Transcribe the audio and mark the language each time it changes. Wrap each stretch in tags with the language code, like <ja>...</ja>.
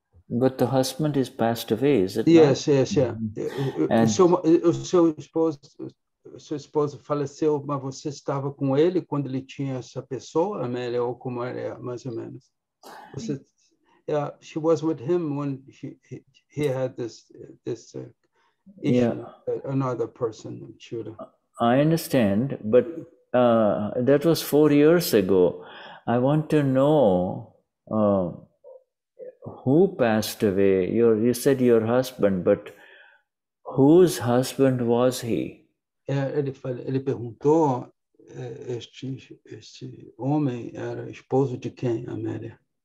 <en>But the husband is passed away, is it? Yes, yes, yeah. So suppose</en> <pt>faleceu, mas você estava com ele quando ele tinha essa pessoa, Amélia, ou como era, mais ou menos.</pt> <en>Yeah, she was with him when he had this issue, yeah. Another person, Shuddha. I understand, but that was 4 years ago. I want to know who passed away. You said your husband, but whose husband was he?</en> <pt>Ele perguntou, este homem era esposo de quem, Amélia?</pt>